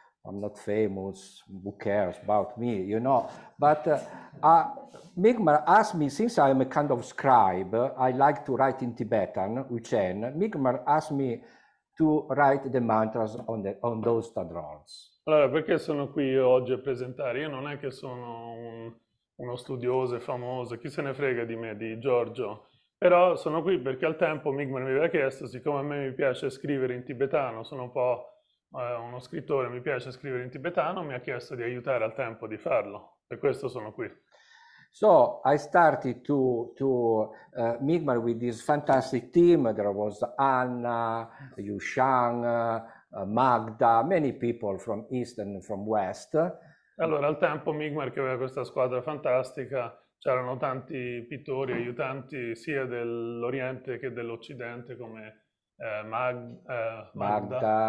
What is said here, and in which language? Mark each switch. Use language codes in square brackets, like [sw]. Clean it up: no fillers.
[en] I'm not famous, who cares about me, you know? But Mikmar asked me, since I'm a kind of scribe, I like to write in Tibetan, Uchen. Mikmar asked me to write the mantras on those tadrols. [it] Allora, perché sono qui oggi a presentare? Io non è che sono uno studioso e famoso, chi se ne frega di me, di Giorgio. Però sono qui perché al tempo Mi'kmaq mi aveva chiesto, siccome a me mi piace scrivere in tibetano, sono un po' uno scrittore, mi piace scrivere in tibetano, mi ha chiesto di aiutare al tempo di farlo, per questo sono qui. [en] So I started to Mi'kmaq with this fantastic team. There was Anna, Yushang, Magda, many people from East and from West. [it] Allora, al tempo Mi'kmaq, che aveva questa squadra fantastica, c'erano tanti pittori, aiutanti sia dell'Oriente che dell'Occidente, come Magda,